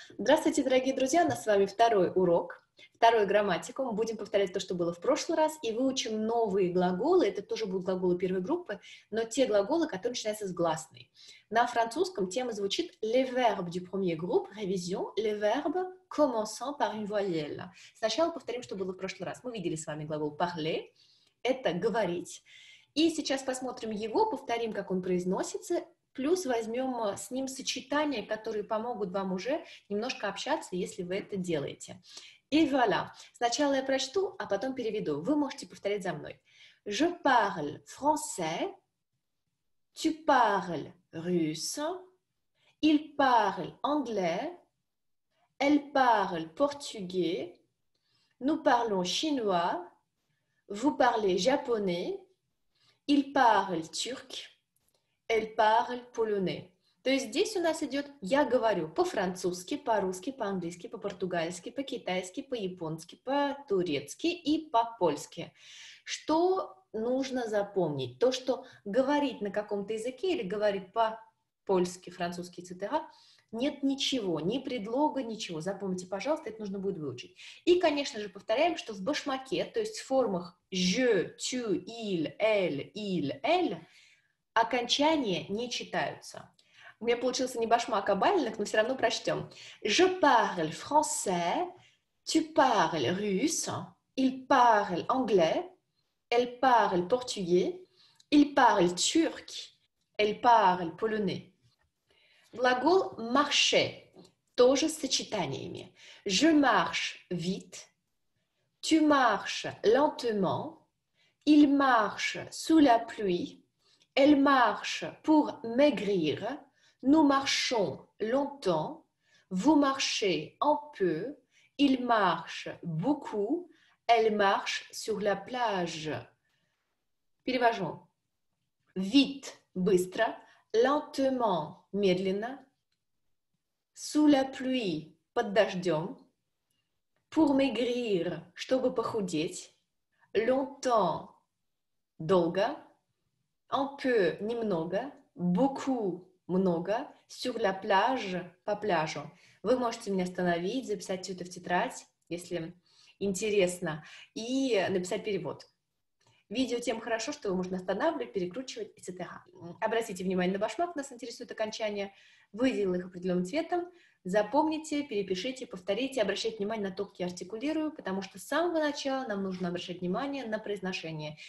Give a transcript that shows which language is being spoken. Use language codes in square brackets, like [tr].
[ru] Здравствуйте, дорогие друзья! У нас с вами второй урок, второй грамматикум. Будем повторять то, что было в прошлый раз, и выучим новые глаголы. Это тоже будут глаголы первой группы, но те глаголы, которые начинаются с гласной. На французском тема звучит [fr] «Le verbe du premier groupe, révision, le verbe commençant par une voyelle». [ru] Сначала повторим, что было в прошлый раз. Мы видели с вами глагол «parler», это «говорить». И сейчас посмотрим его, повторим, как он произносится, плюс возьмем с ним сочетания, которые помогут вам уже немножко общаться, если вы это делаете. И voilà. Сначала я прочту, а потом переведу. Вы можете повторять за мной. [fr] Je parle français, tu parles russe, il parle anglais, elle parle portugais, nous parlons chinois, vous parlez japonais, il parle turc. Elle parle polonais. [ru] То есть здесь у нас идет «я говорю» по-французски, по-русски, по-английски, по-португальски, по-китайски, по-японски, по-турецки и по-польски. Что нужно запомнить? То, что говорить на каком-то языке или говорить по-польски, французски, etc., нет ничего, ни предлога, ничего. Запомните, пожалуйста, это нужно будет выучить. И, конечно же, повторяем, что в башмаке, то есть в формах «je», «tu», «il», «elle», «elle», окончания не читаются. У меня получился не башмак, а байлинг, но все равно прочтем. [fr] Je parle français, tu parles russe, il parle anglais, elle parle portugais, il parle turc, elle parle polonais. [ru] Глагол marcher тоже с сочетаниями. [fr] Je marche vite, tu marches lentement, il marche sous la pluie, elle marche pour maigrir, nous marchons longtemps, vous marchez un peu, il marche beaucoup, elle marche sur la plage. [ru] Перевожу. [fr] Vite, быстро, lentement, медленно, sous la pluie, [ru] под дождем, [fr] pour maigrir, [ru] чтобы похудеть, [fr] longtemps, долго, un peu, немного, beaucoup, много, sur la plage, [ru] по пляжу. Вы можете меня остановить, записать это в тетрадь, если интересно, и написать перевод. Видео тем хорошо, что его можно останавливать, перекручивать, etc. Обратите внимание на башмак, нас интересует окончание. Выделил их определенным цветом. Запомните, перепишите, повторите, обращайте внимание на то, как я артикулирую, потому что с самого начала нам нужно обращать внимание на произношение.